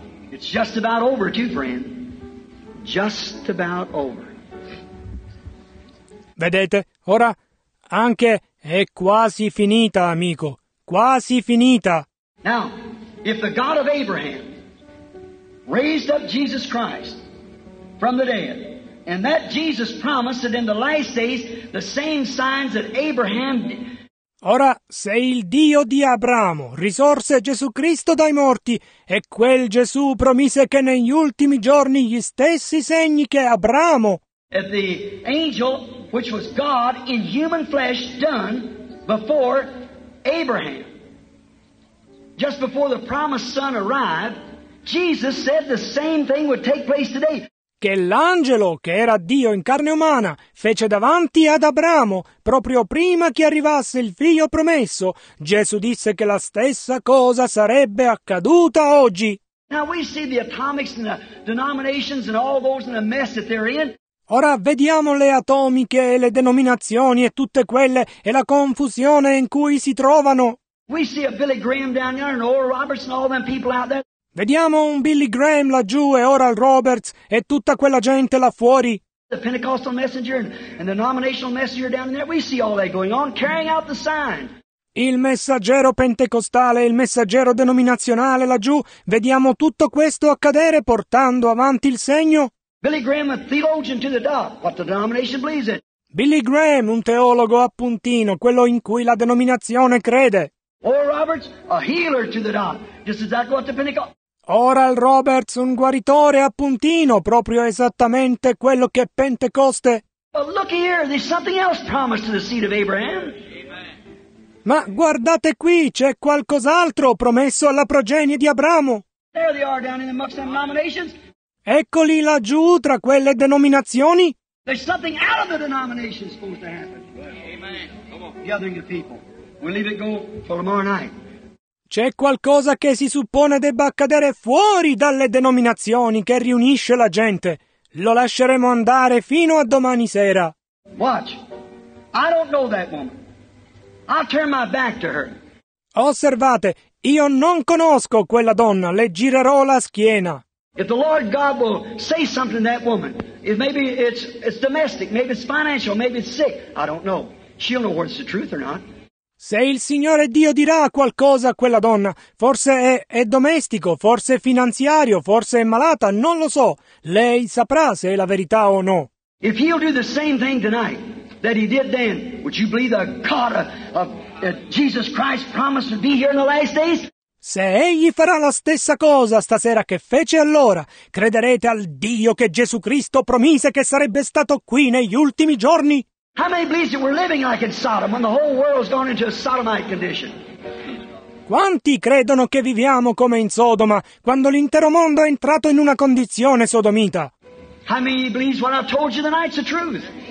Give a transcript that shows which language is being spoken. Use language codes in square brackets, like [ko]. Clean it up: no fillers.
[en] It's just about over too, friend. Just about over. [it] Vedete, ora anche è quasi finita, amico, quasi finita. [en] Now, if the God of Abraham raised up Jesus Christ from the dead, and that Jesus promised that in the last days the same signs that Abraham did. [it] Ora, se il Dio di Abramo risorse Gesù Cristo dai morti e quel Gesù promise che negli ultimi giorni gli stessi segni che Abramo. [en] If the angel which was God in human flesh done before Abraham, just before the promised son arrived, Jesus said the same thing would take place today. [it] Che l'angelo che era Dio in carne umana fece davanti ad Abramo proprio prima che arrivasse il figlio promesso, Gesù disse che la stessa cosa sarebbe accaduta oggi. [en] Now we see the atomics and the denominations and all those in the mess that they're in. [it] Ora vediamo le atomiche e le denominazioni e tutte quelle e la confusione in cui si trovano. [en] We see a Billy Graham down there and Oral Roberts and all them people out there. [it] Vediamo un Billy Graham laggiù e Oral Roberts e tutta quella gente là fuori. [en] The Pentecostal messenger and the denominational messenger down there, we see all that going on, carrying out the sign. [it] Il messaggero pentecostale, il messaggero denominazionale laggiù, vediamo tutto questo accadere portando avanti il segno. [en] Billy Graham, a theologian to the dot, what the denomination believes in. [it] Billy Graham, un teologo a puntino, quello in cui la denominazione crede. [en] Oral Roberts, a healer to the dot, just exactly what the Pentecost. [it] Oral Roberts, un guaritore a puntino, proprio esattamente quello che è Pentecoste. [en] But look here, there's something else promised to the seed of Abraham. [it] Ma guardate qui, c'è qualcos'altro promesso alla progenie di Abramo. [en] There they are down in the muck of denominations. [it] Eccoli laggiù tra quelle denominazioni. [en] There's something out of the denomination supposed to happen. Amen. Gathering the people. We'll leave it go for tomorrow night. [it] C'è qualcosa che si suppone debba accadere fuori dalle denominazioni che riunisce la gente. Lo lasceremo andare fino a domani sera. [en] Watch. I don't know that woman. I'll turn my back to her. [it] Osservate, io non conosco quella donna. Le girerò la schiena. [en] If the Lord God will say something to that woman, if maybe it's domestic, maybe it's financial, maybe it's sick, I don't know. She'll know whether it's the truth or not. [it] Se il Signore Dio dirà qualcosa a quella donna, forse è domestico, forse è finanziario, forse è malata, non lo so. Lei saprà se è la verità o no. [en] If he'll do the same thing tonight that he did then, would you believe the God of Jesus Christ promised to be here in the last days? [it] Se egli farà la stessa cosa stasera che fece allora, crederete al Dio che Gesù Cristo promise che sarebbe stato qui negli ultimi giorni? [en] How many believe that we're living like in Sodom when the whole world's gone into a sodomite condition? [it] Quanti credono che viviamo come in Sodoma quando l'intero mondo è entrato in una condizione sodomita? [en] How many believe what I told you tonight's the truth?